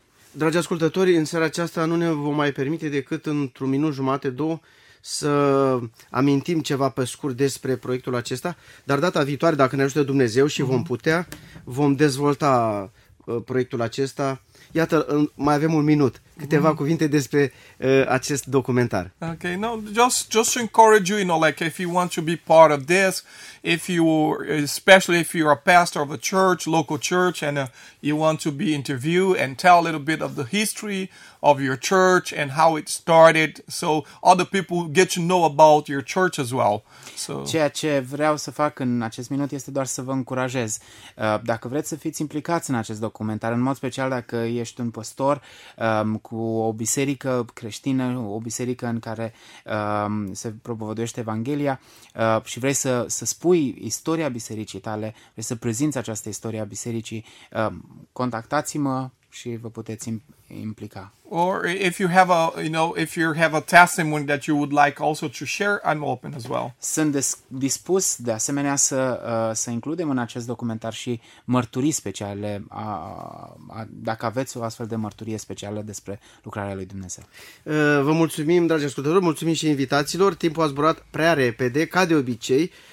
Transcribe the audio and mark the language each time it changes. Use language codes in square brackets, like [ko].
[ro] Dragi ascultători, în seara aceasta nu ne vom mai permite decât într-un minut jumate, două, să amintim ceva pe scurt despre proiectul acesta, dar data viitoare, dacă ne ajută Dumnezeu și vom putea, vom dezvolta proiectul acesta. Iată, mai avem un minut, câteva cuvinte despre acest documentar. [en] Okay, no, just encourage you, you know, like if you want to be part of this, if you, especially if you're a pastor of a church, local church, and you want to be interviewed and tell a little bit of the history of your church and how it started, so other people get to know about your church as well. So. [ro] Ceea ce vreau să fac în acest minut este doar să vă încurajez. Dacă vreți să fiți implicați în acest documentar, în mod special dacă ești un păstor cu o biserică creștină, o biserică în care se propovăduiește Evanghelia, și vrei să spui istoria bisericii tale, vrei să prezinți această istorie a bisericii, contactați-mă și vă puteți implica. [en] Or if you have a, you know, if you have a testimony that you would like also to share, I'm open as well. [ro] Sunt dispus de asemenea să includem în acest documentar și mărturii speciale, dacă aveți o astfel de mărturie specială despre lucrarea lui Dumnezeu. Vă mulțumim, dragi ascultători, mulțumim și invitaților. Timpul a zburat prea repede, ca de obicei.